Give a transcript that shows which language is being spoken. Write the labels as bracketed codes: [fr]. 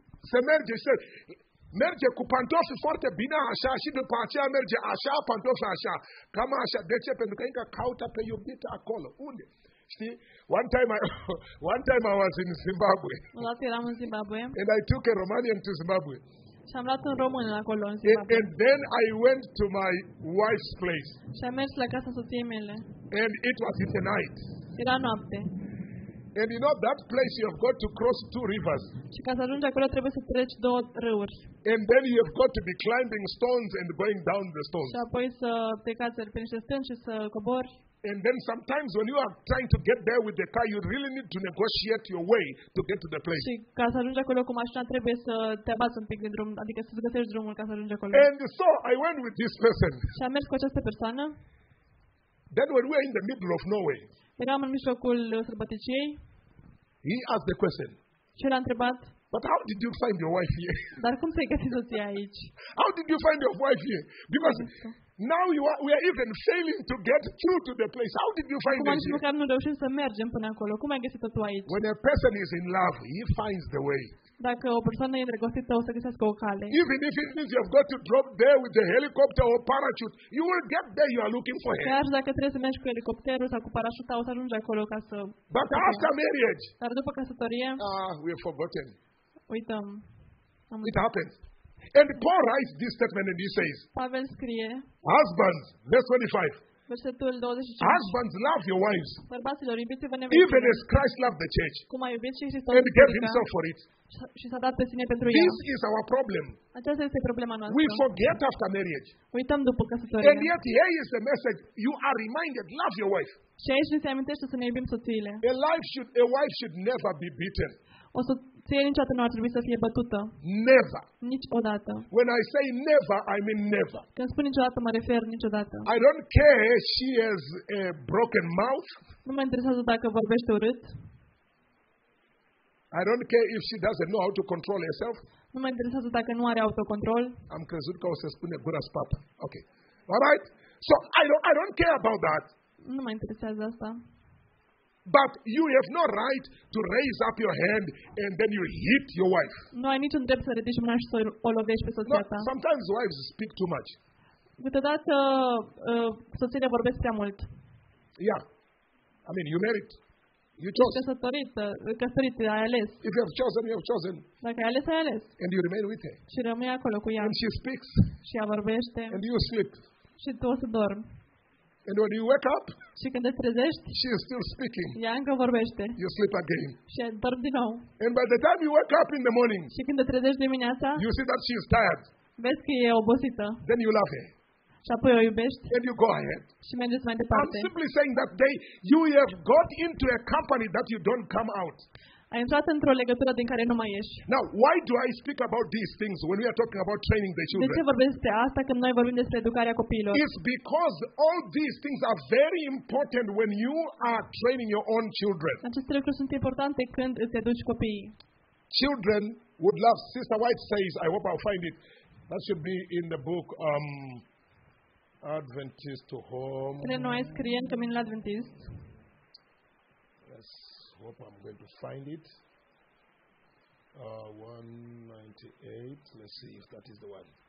[ro] Se merge, merge cu pantofi foarte bine așa și după aceea merge așa, pantofi așa. Cam așa. De ce? Pentru că încă caută pe iubita acolo. Unde? [en] See, one time I was in Zimbabwe. And I took a Romanian to Zimbabwe. [ro] Și am luat un român acolo în Zimbabwe. [en] And then I went to my wife's place. [ro] Și am mers la casa soției mele. [en] And it was in the night. [ro] Era noapte. [en] And you know that place you have got to cross two rivers. [ro] Și ca să ajungi acolo trebuie să treci două râuri. [en] And then you have got to be climbing stones and going down the stones. [ro] Și apoi să te cazi pe niște stâni și să cobori. [en] And then sometimes when you are trying to get there with the car, you really need to negotiate your way to get to the place. [ro] Și ca să ajungi acolo cu mașina trebuie să te abați un pic din drum, adică să găsești drumul ca să ajungi acolo. [en] And so I went with this person. [ro] Și am mers cu această persoană. [en] Then when we are in the middle of nowhere. [ro] Eram în mijlocul sărbăticiei. [en] He asked the question. [ro] Și l-a întrebat. [en] But how did you find your wife here? [ro] Dar cum ți-ai găsit soția aici? [en] How did you find your wife here? Because now we are even failing to get through to the place. How did you find this? [ro] Cum am reușit să mergem până acolo? Cum ai găsit-o tu aici? [en] When a person is in love, he finds the way. [ro] Dacă o persoană e îndrăgostită, o să găsească o cale. [en] Even if it means you've got to drop there with the helicopter or parachute, you will get there. You are looking for him. [ro] Chiar dacă trebuie să mergi cu elicopterul sau cu parașuta, o să ajungi acolo ca să. [en] But after marriage. [ro] Dar după căsătorie. [en] We have forgotten. [ro] Uităm. [en] It happens. And Paul writes this statement and he says. [ro] Pavel scrie. [en] Husbands, verse 25. [ro] Versetul 25. [en] Husbands, love your wives. [ro] Bărbaților, iubiți-vă nevestele. [en] Even as Christ loved the church. [ro] Cum a iubit și [en] Hristos. And gave himself for it. [ro] Și s-a dat pe sine pentru ea. [en] This is our problem. [ro] Aceasta este problema noastră. [en] We forget after marriage. [ro] Uităm după căsătorie. [en] And yet here is the message. You are reminded, love your wife. [ro] Și aici ne se amintește să ne iubim soțiile. [en] A wife should never be beaten. [ro] O soție niciodată nu ar trebui să fie bătută. [en] Never. [ro] Niciodată. [en] When I say never, I mean never. [ro] Când spun niciodată, mă refer niciodată. [en] I don't care if she has a broken mouth. [ro] Nu mă interesează dacă vorbește urât. [en] I don't care if she doesn't know how to control herself. [ro] Nu mă interesează dacă nu are autocontrol. Am crezut că o să spune gura spată. [en] Okay. All right? So I don't care about that. [ro] Nu mă interesează asta. [en] But you have no right to raise up your hand and then you hit your wife. [ro] Nu ai niciun drept să ridici mâna și să o lovești pe soția ta. [en] No, sometimes wives speak too much. [ro] Câteodată soțiile vorbesc prea mult. [en] Yeah. I mean, you married. You chose. [ro] Căsătorit, ai ales. [en] If you have chosen, you have chosen. [ro] Dacă ai ales, ai ales. [en] And you remain with her. [ro] Și rămâi acolo cu ea. [en] And she speaks. [ro] Și ea vorbește. [en] And you sleep. [ro] Și tu o să dormi. [en] And when you wake up, [ro] și când te trezești, [en] she is still speaking. [ro] Ea încă vorbește. [en] You sleep again. [ro] Și dormi din nou. [en] And by the time you wake up in the morning, [ro] și când te trezești dimineața, [en] you see that she is tired. [ro] Vezi că e obosită. [en] Then you love her. [ro] Și apoi o iubești. [en] And you go ahead. [ro] Și mergeți mai departe. [en] I'm simply saying that day you have got into a company that you don't come out. [ro] Ai intrat într-o legătură din care nu mai ieși. [en] Now, why do I speak about these things when we are talking about training the children? [ro] De ce vorbesc despre asta când noi vorbim despre educarea copiilor? [en] It's because all these things are very important when you are training your own children. [ro] Aceste lucruri sunt importante când îți educi copiii. [en] Children would love, Sister White says, I hope I'll find it. That should be in the book Adventist to Home. [ro] Prin noi scrie în Căminul Adventist. [en] Yes. I hope I'm going to find it. 198. Let's see if that is the one.